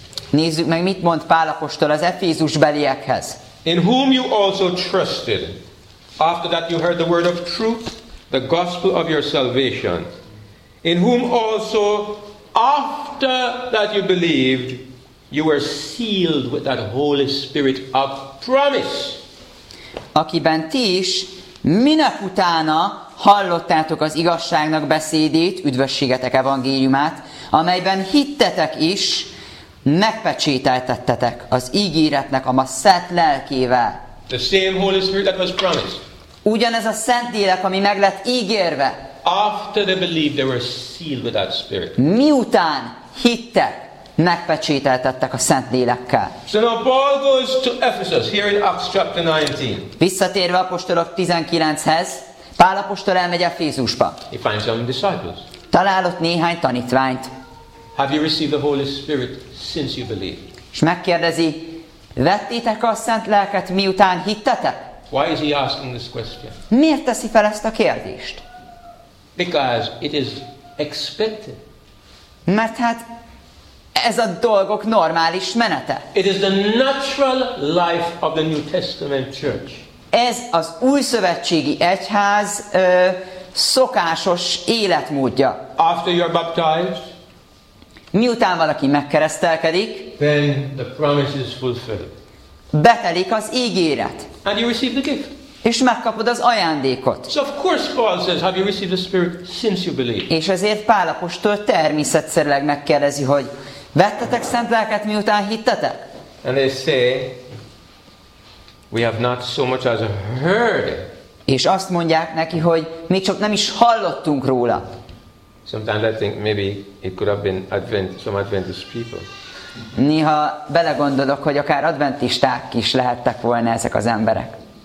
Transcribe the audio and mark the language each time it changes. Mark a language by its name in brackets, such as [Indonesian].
[Hungarian] Nézzük meg, mit mond Pál apostol az Efézus beliekhez. [English] In whom you also trusted, after that you heard the word of truth, the gospel of your salvation. In whom also, after that you believed, you were sealed with that Holy Spirit of promise. [Hungarian] Akiben ti is, minek utána hallottátok az igazságnak beszédét, üdvösségetek evangéliumát, amelyben hittetek is, megpecsételtettetek az ígéretnek a ma szent lelkével. [English] The same Holy Spirit that was promised. [Hungarian] Ugyanez a szent lélek, ami meg lett ígérve. [English] After they believed, they were sealed with that spirit. [Hungarian] Miután hittek, megpecsételtettek a szent lélekkel. [English] So now Paul goes to Ephesus, here in Acts chapter 19. [Hungarian] Visszatérve apostolok 19-hez, Pál apostol elmegy Efézusba. [English] He finds some disciples. [Hungarian] Talál ott néhány tanítványt. [English] Have you received the Holy Spirit since you believed? [Hungarian] És megkérdezi, vettétek a Szent Lelket, miután hittetek? [English] Why is he asking this question? [Hungarian] Miért teszi fel ezt a kérdést? [English] Because it is expected. [Hungarian] Mert hát ez a dolgok normális menete. [English] It is the natural life of the New Testament church. [Hungarian] Ez az új szövetségi egyház szokásos életmódja. [English] After you are baptized, [Hungarian] miután valaki megkeresztelkedik, [English] then the promise is fulfilled. [Hungarian] Betelik az ígéret. [English] And you receive the gift. [Hungarian] És megkapod az ajándékot. [English] So of course Paul says, have you received the Spirit since you believe? [Hungarian] És ezért Pál apostol természetszerűleg megkérdezi, hogy vettetek Szent Lelket, miután hittetek? [English] And they say, we have not so much as heard. [Hungarian] És azt mondják neki, hogy még csak nem is hallottunk róla. [English] Sometimes I think maybe it could have been some Adventist people. [Hungarian] Néha belegondolok, hogy akár adventisták is lehettek volna ezek az emberek.